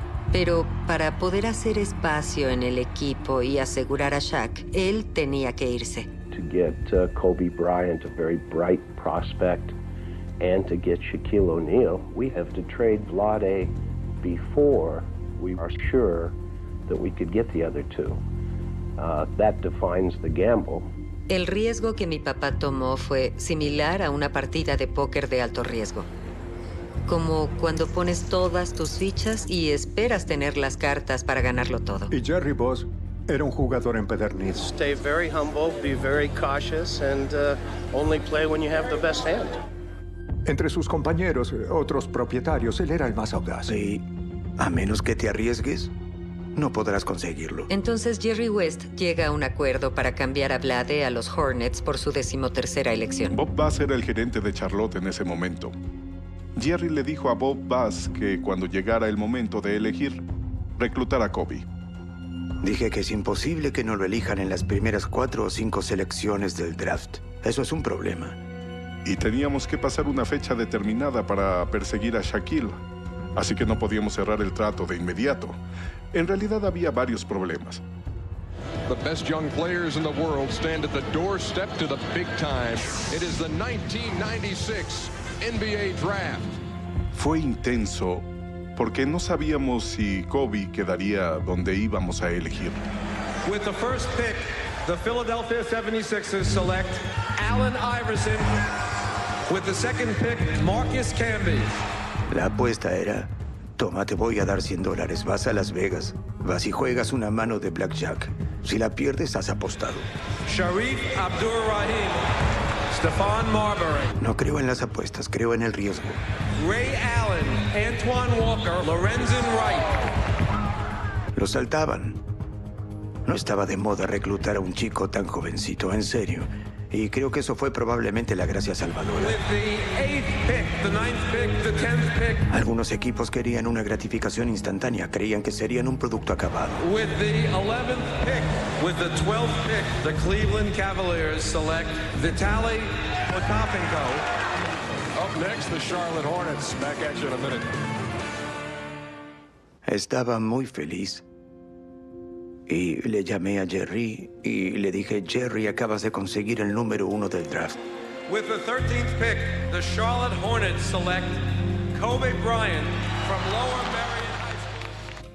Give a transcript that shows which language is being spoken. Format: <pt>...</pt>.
<es>Pero para poder hacer espacio en el equipo y asegurar a Shaq, él tenía que irse.</es> <en>To get Kobe Bryant, a very bright prospect, and to get Shaquille O'Neal, we have to trade Vlade before we are sure that we could get the other two. That defines the gamble.</en> <es>El riesgo que mi papá tomó fue similar a una partida de póker de alto riesgo. Como cuando pones todas tus fichas y esperas tener las cartas para ganarlo todo. Y Jerry Buss era un jugador empedernido.</es> <en>Stay very humble, be very cautious, and only play when you have the best hand.</en> <es>Entre sus compañeros, otros propietarios, él era el más audaz. Y a menos que te arriesgues, no podrás conseguirlo. Entonces Jerry West llega a un acuerdo para cambiar a Vlade a los Hornets por su 13ª elección. Bob Buss era el gerente de Charlotte en ese momento. Jerry le dijo a Bob Buss que cuando llegara el momento de elegir, reclutara a Kobe. Dije que es imposible que no lo elijan en las primeras 4 o 5 selecciones del draft. Eso es un problema. Y teníamos que pasar una fecha determinada para perseguir a Shaquille. Así que no podíamos cerrar el trato de inmediato. En realidad había varios problemas.</es> <en>The best young players in the world stand at the doorstep to the big time. It is the 1996 NBA draft.</en> <es>Fue intenso porque no sabíamos si Kobe quedaría donde íbamos a elegir.</es> <en>With the first pick, the Philadelphia 76ers select Allen Iverson. With the second pick, Marcus Camby.</en> <es>La apuesta era, toma, te voy a dar $100, vas a Las Vegas, vas y juegas una mano de blackjack. Si la pierdes, has apostado.</es> <en>Sharif Abdur-Rahim, Stephon Marbury.</en> <es>No creo en las apuestas, creo en el riesgo.</es> <en>Ray Allen, Antoine Walker, Lorenzen Wright.</en> <es>Lo saltaban. No estaba de moda reclutar a un chico tan jovencito, en serio. Y creo que eso fue probablemente la gracia salvadora.</es> <en>The ninth pick.</en> <es>Algunos equipos querían una gratificación instantánea, creían que serían un producto acabado.</es> <en>With the 11th pick, with the 12th pick, the Cleveland Cavaliers select Vitali Potapenko. Up next, the Charlotte Hornets. Back at you in a minute.</en> <es>Estaba muy feliz. Y le llamé a Jerry y le dije, Jerry, acabas de conseguir el número uno del draft.</es> <en>With the 13th pick, the Charlotte Hornets select Kobe Bryant from Lower Merion High School.</en>